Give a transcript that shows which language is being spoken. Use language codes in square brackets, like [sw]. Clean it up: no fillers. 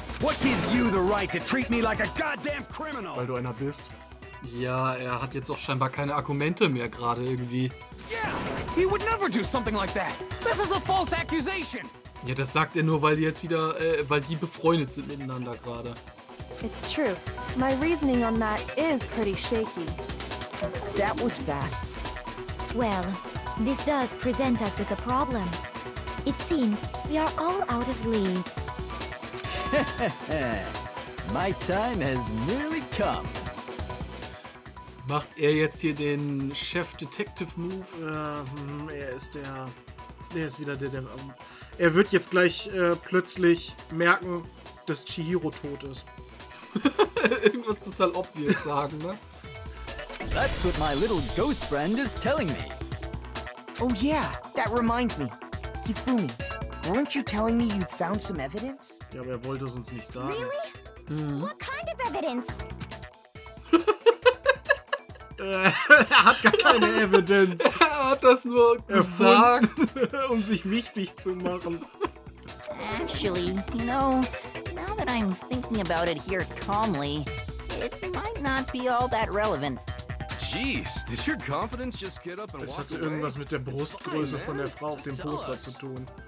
[en] What gives you the right to treat me like a goddamn criminal? [de] Weil du einer bist. Ja, hat jetzt auch scheinbar keine Argumente mehr gerade irgendwie. [en] Yeah, he would never do something like that. This is a false accusation. [de] Ja, das sagt nur, weil die jetzt wieder, weil die befreundet sind miteinander gerade. [en] It's true. My reasoning on that is pretty shaky. That was fast. Well, this does present us with a problem. It seems we are all out of leads. My time has nearly come. [de] Macht jetzt hier den Chef-Detective-Move? Er ist wieder der... Er wird jetzt gleich plötzlich merken, dass Chihiro tot ist. Irgendwas total obvious sagen, ne? [en] That's what my little ghost friend is telling me. Oh yeah, that reminds me. Kifumi, weren't you telling me you'd found some evidence? [de] Ja, aber wollte es uns nicht sagen. [en] Really? What kind of evidence? [de] Er hat gar keine Evidenz. Er hat das nur gesagt, um sich wichtig zu machen. [en] Actually, you know, now that I'm thinking about it here calmly, it might not be all that relevant. Jeez, does your confidence just get up and walk [de] Das hat irgendwas mit der Brustgröße fine, von der Frau auf dem Poster zu tun.